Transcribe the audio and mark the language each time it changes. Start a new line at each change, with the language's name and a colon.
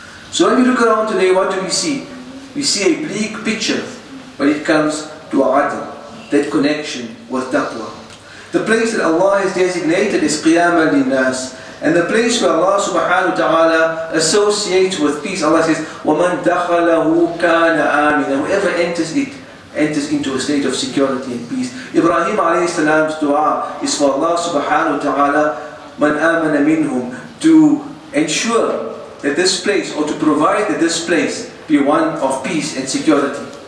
English: So when we look around today, what do we see? We see a bleak picture when it comes to adl, that connection with taqwa. The place that Allah has designated is Qiyam al-Nas, and the place where Allah subhanahu wa ta'ala associates with peace. Allah says,
Arabic: وَمَنْ دَخَلَهُ كَانَ آمِنًا.
English: Whoever enters it, enters into a state of security and peace. Ibrahim alayhi salam's dua is for Allah subhanahu wa ta'ala,
Arabic: مَنْ آمَنَ مِنْهُمْ,
English: to ensure that this place, or to provide that this place, be one of peace and security.